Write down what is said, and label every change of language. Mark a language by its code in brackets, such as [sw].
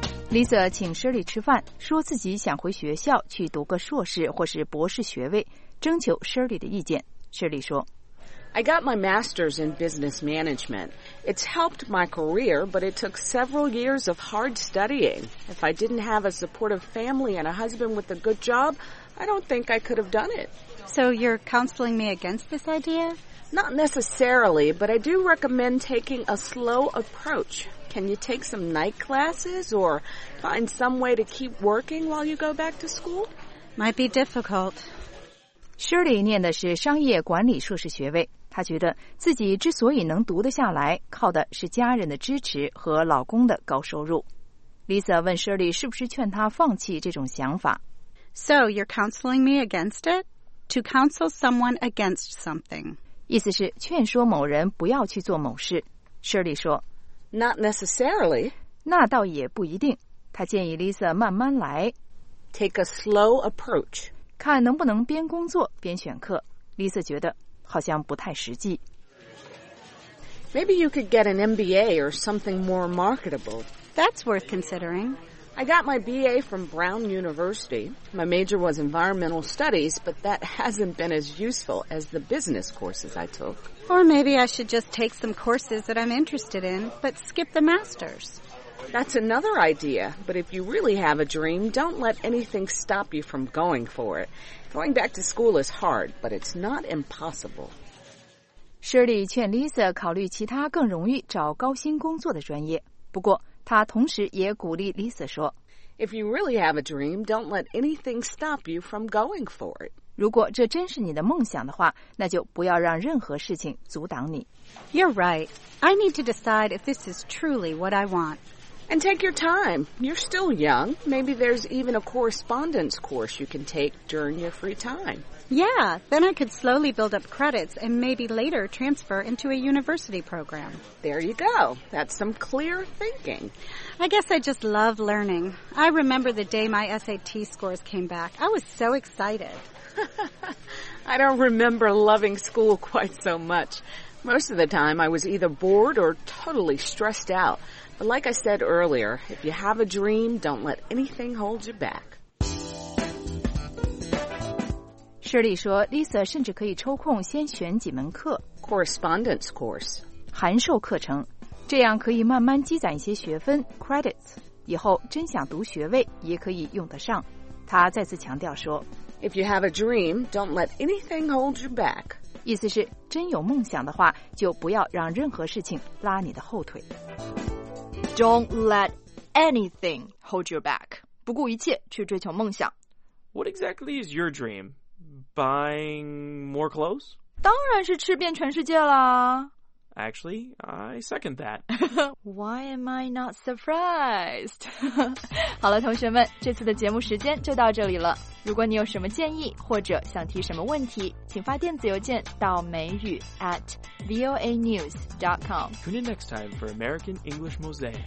[zh] Lisa 请 Shirley 吃饭，说自己想回学校去读个硕士或是博士学位，征求 Shirley 的意见。 Shirley 说 [en] ：“I got my master's in business management. It's helped my career, but it took several years of hard studying. If I didn't have a supportive family and a husband with a good job, I don't think I could have done it.” So you're counseling me against this idea? Not necessarily, but I do recommend taking a slow approach. Can you take some night classes or find some way to keep working while you go back to school? Might be difficult. [zh] Shirley 念的是商业管理硕士学位，她觉得自己之所以能读得下来，靠的是家人的支持和老公的高收入。 Lisa 问 Shirley 是不是劝她放弃这种想法。 [en] So you're counseling me against it? To counsel someone against something. [zh] 意思是劝说某人不要去做某事。 Shirley 说 Not necessarily. 那倒也不一定。他建议 Lisa 慢慢来。 [en] Take a slow approach. [zh] 看能不能边工作边选课。Lisa 觉得好像不太实际。 [en] Maybe you could get an MBA or something more marketable. That's worth considering. I got my BA from Brown University. My major was environmental studies, but that hasn't been as useful as the business courses I took. Or maybe I should just take some courses that I'm interested in, but skip the master's. That's another idea, but if you really have a dream, don't let anything stop you from going for it. Going back to school is hard, but it's not impossible. [zh] Shirley 劝 Lisa 考虑其他更容易找高薪工作的专业。不过他同时也鼓励 Lisa 说 [en] If you really have a dream, don't let anything stop you from going for it. [zh] 如果这真是你的梦想的话，那就不要让任何事情阻挡你。 [en] You're right. I need to decide if this is truly what I want. And take your time. You're still young. Maybe there's even a correspondence course you can take during your free time. Yeah, then I could slowly build up credits and maybe later transfer into a university program. There you go. That's some clear thinking. I guess I just love learning. I remember the day my SAT scores came back. I was so excited. I don't remember loving school quite so much. Most of the time, I was either bored or totally stressed out. But like I said earlier, if you have a dream, don't let anything hold you back. [zh] Shirley 说 ,Lisa 甚至可以抽空先选几门课 [en] ,correspondence course, [zh] 函授课程，这样可以慢慢积攒一些学分 ,credits, 以后真想读学位也可以用得上。他再次强调说 [en] ,If you have a dream, don't let anything hold you back. [zh] 意思是真有梦想的话就不要让任何事情拉你的后腿。 [en] Don't let anything hold you back. [zh] 不顾一切去追求梦想。 [en] What exactly is your dream? Buying more clothes? [zh] 当然是吃遍全世界啦。 [en] Actually, I second that. Why am I not surprised? [zh] 好了，同学们，这次的节目时间就到这里了。如果你有什么建议或者想提什么问题，请发电子邮件到美语@voanews.com. [en] Tune in next time for American English Mosaic.